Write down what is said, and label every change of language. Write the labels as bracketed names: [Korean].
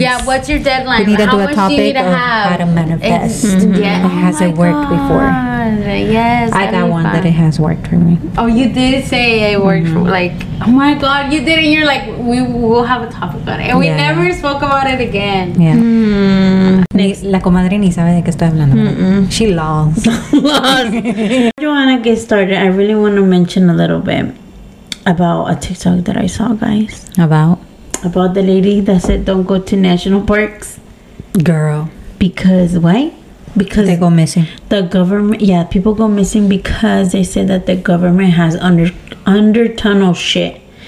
[English] Yeah, what's your deadline? We need to how do much a topic do you need to have? How to manifest. Has it worked before? Yes. I got one that it has worked for me. Oh, you did say it worked for like, oh my God, you did it. You're like, we will have a topic about it. And we never spoke about it again. Yeah. [Spanish] La comadre ni sabe de qué estoy hablando. [English] She lost. I do want to get started. I really want to mention a little bit about a TikTok that I saw, guys. About the lady that said don't go to national parks. Girl. Because why? Because they go missing. The government. Yeah, people go missing because they say that the government has under tunnel shit.